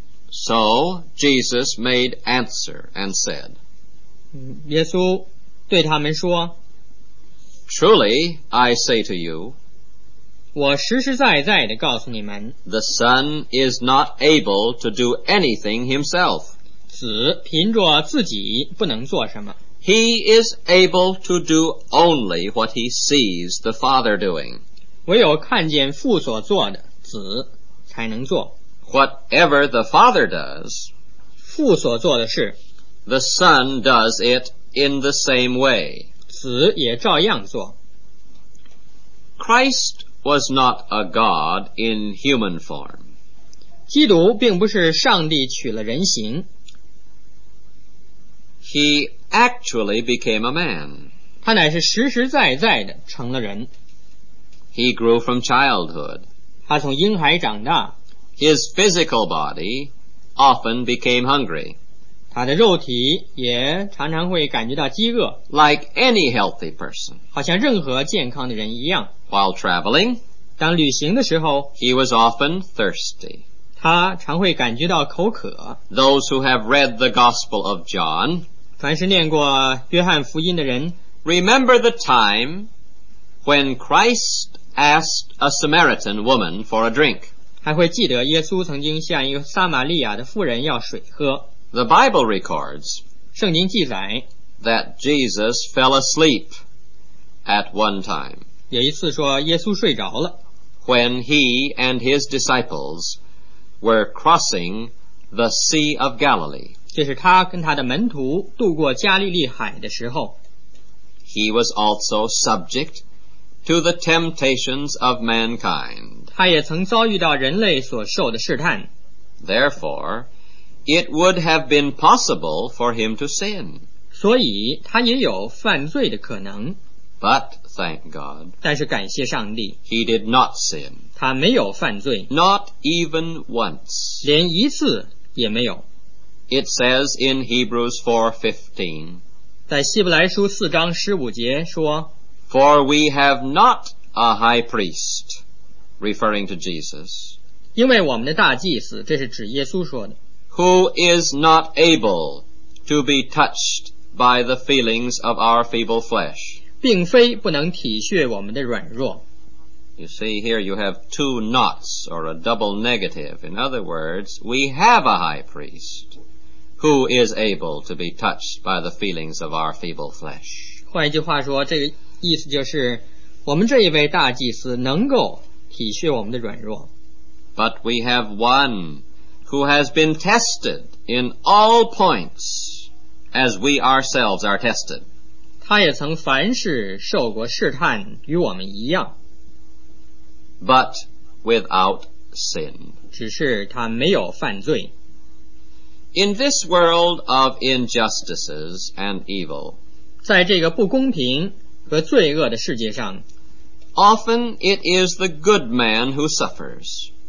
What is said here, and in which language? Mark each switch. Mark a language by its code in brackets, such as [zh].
[en] So Jesus made answer and said, [zh] 耶稣对他们说， [en] Truly I say to you, [zh] 我实实在在地告诉你们， [en] The Son is not able to do anything himself. [zh] 子凭着自己不能做什么。 [en] He is able to do only what he sees the Father doing. [zh] 唯有看见父所做的，子才能做。 [en] Whatever the Father does, [zh] 父所做的事， [en] the Son does it in the same way. [zh] 子也照样做。 [en] Christ was not a God in human form. [zh] 基督并不是上帝取了人形。 [en] He actually became a man. [zh] 他乃是实实在在的成了人。 [en] He grew from childhood. [zh] 他从婴孩长大。 [en] His physical body often became hungry. [zh] 他的肉体也常常会感觉到饥饿。 [en] Like any healthy person. [zh] 好像任何健康的人一样。 [en] While traveling, [zh] 当旅行的时候， [en] he was often thirsty. [zh] 他常会感觉到口渴。 [en] Those who have read the Gospel of John, [zh] 凡是念过约翰福音的人， [en] remember the time when Christ asked a Samaritan woman for a drink. [zh] 还会记得耶稣曾经向一个撒玛利亚的妇人要水喝。 [en] The Bible records, [zh] 圣经记载， [en] that Jesus fell asleep at one time. [zh] 有一次说耶稣睡着了。 [en] When he and his disciples were crossing the Sea of Galilee. [zh] 这是他跟他的门徒渡过加利利海的时候。 [en] He was also subject to the temptations of mankind. [zh] 他也曾遭遇到人类所受的试探。 [en] Therefore, it would have been possible for him to sin. [zh] 所以他也有犯罪的可能。 [en] But thank God, [zh] 但是感谢上帝， [en] he did not sin. [zh] 他没有犯罪。 [en] Not even once. [zh] 连一次也没有。 [en] It says in Hebrews 4:15, [zh] 在希伯来书四章十五节说， [en] For we have not a high priest. Referring to Jesus. [zh] 因为我们的大祭司，这是指耶稣说的。 [en] Who is not able to be touched by the feelings of our feeble flesh. [zh] 并非不能体恤我们的软弱。 [en] You see, here you have two nots or a double negative. In other words, we have a high priest who is able to be touched by the feelings of our feeble flesh. [zh] 换一句话说，这个意思就是，我们这一位大祭司能够体恤我们的软弱。 [en] But we have one who has been tested in all points as we ourselves are tested. [zh] 他也曾凡事受过试探与我们一样。 [en] But without sin. [zh] 只是他没有犯罪。 [en] In this world of injustices and evil, [zh] 在这个不公平和罪恶的世界上， [en] Often it is the good man who suffers.